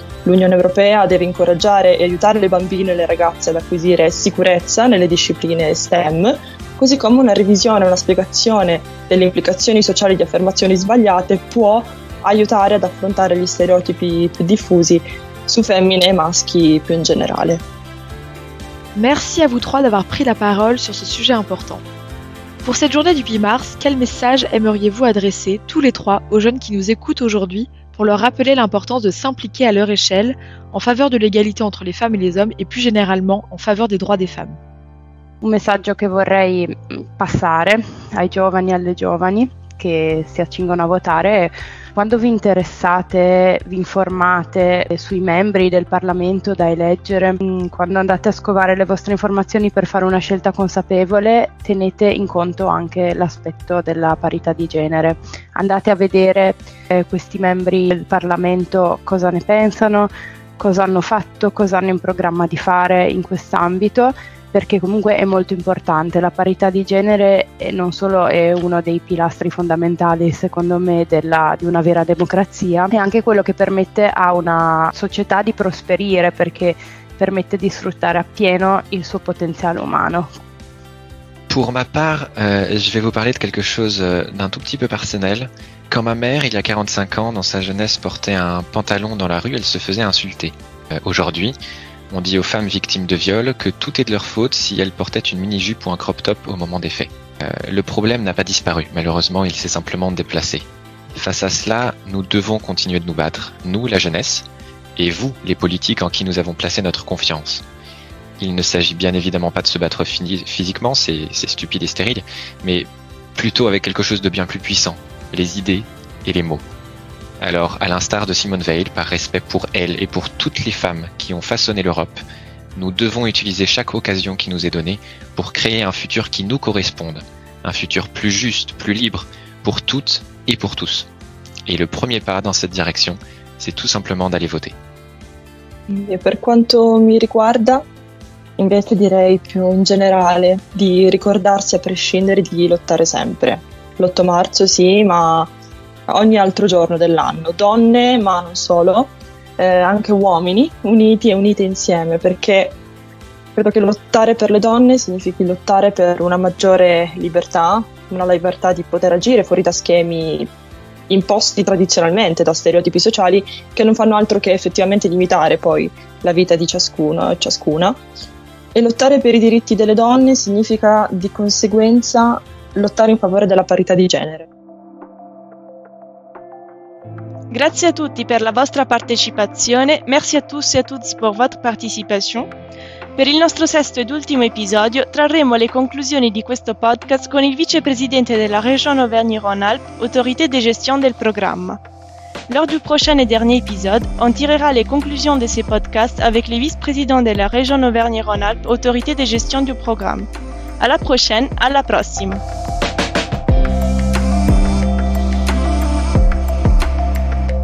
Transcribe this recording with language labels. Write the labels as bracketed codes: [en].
[it] L'Unione Europea deve incoraggiare e aiutare le bambine e le ragazze ad acquisire sicurezza nelle discipline STEM, così come una revisione, una spiegazione delle implicazioni sociali di affermazioni sbagliate può aiutare ad affrontare gli stereotipi più diffusi su femmine e maschi più in generale. [fr] Merci à vous trois d'avoir pris la parole sur ce sujet important. Pour cette journée du 8 mars, quel message aimeriez-vous adresser tous les trois aux jeunes qui nous écoutent aujourd'hui pour leur rappeler l'importance de s'impliquer à leur échelle en faveur de l'égalité entre les femmes et les hommes et plus généralement en faveur des droits des femmes? [it] Un messaggio che vorrei passare ai giovani e alle giovani che si accingono a votare. Quando vi interessate, vi informate sui membri del Parlamento da eleggere, quando andate a scovare le vostre informazioni per fare una scelta consapevole, tenete in conto anche l'aspetto della parità di genere. Andate a vedere questi membri del Parlamento cosa ne pensano, cosa hanno fatto, cosa hanno in programma di fare in quest'ambito, perché comunque è molto importante. La parità di genere non solo è uno dei pilastri fondamentali, secondo me, di una vera democrazia, è anche quello che permette a una società di prosperire, perché permette di sfruttare appieno il suo potenziale umano. [fr] Pour ma part, je vais vous parler de quelque chose d'un tout petit peu personnel. Quand ma mère, il y a 45 ans, dans sa jeunesse, portait un pantalon dans la rue, elle se faisait insulter. Aujourd'hui, on dit aux femmes victimes de viol que tout est de leur faute si elles portaient une mini-jupe ou un crop-top au moment des faits. Le problème n'a pas disparu, malheureusement, il s'est simplement déplacé. Face à cela, nous devons continuer de nous battre, nous, la jeunesse, et vous, les politiques en qui nous avons placé notre confiance. Il ne s'agit bien évidemment pas de se battre physiquement, c'est stupide et stérile, mais plutôt avec quelque chose de bien plus puissant, les idées et les mots. Alors, à l'instar de Simone Veil, par respect pour elle et pour toutes les femmes qui ont façonné l'Europe, nous devons utiliser chaque occasion qui nous est donnée pour créer un futur qui nous corresponde, un futur plus juste, plus libre, pour toutes et pour tous. Et le premier pas dans cette direction, c'est tout simplement d'aller voter. [it] Et per quanto mi riguarda, invece direi più in generale di ricordarsi a prescindere di lottare sempre. L'8 marzo sì, ma ogni altro giorno dell'anno, donne ma non solo, anche uomini uniti e unite insieme, perché credo che lottare per le donne significhi lottare per una maggiore libertà, una libertà di poter agire fuori da schemi imposti tradizionalmente da stereotipi sociali che non fanno altro che effettivamente limitare poi la vita di ciascuno e ciascuna. E lottare per i diritti delle donne significa di conseguenza lottare in favore della parità di genere. Grazie a tutti per la vostra partecipazione. [fr] Merci à tous et à toutes pour votre participation. [it] Per il nostro sesto ed ultimo episodio trarremo le conclusioni di questo podcast con il vicepresidente della Région Auvergne-Rhône-Alpes, [fr] autorité de gestion [it] del programma. [fr] Lors du prochain et dernier épisode, on tirera les conclusions de ces podcasts avec les vice-présidents de la Région Auvergne-Rhône-Alpes, autorité de gestion du programme. À la prochaine, [it] à la prossima!